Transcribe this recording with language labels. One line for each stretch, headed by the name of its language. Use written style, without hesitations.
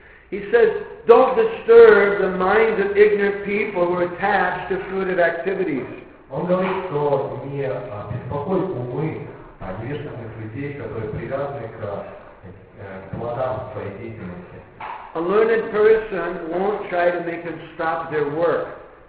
English: He says, don't disturb the minds of ignorant people who are attached to fruitive activities.
Russian: Он говорит, что не беспокоит умы невежественных людей, которые привязаны к плодам своей деятельности.
English: A learned person won't try to make them stop their work.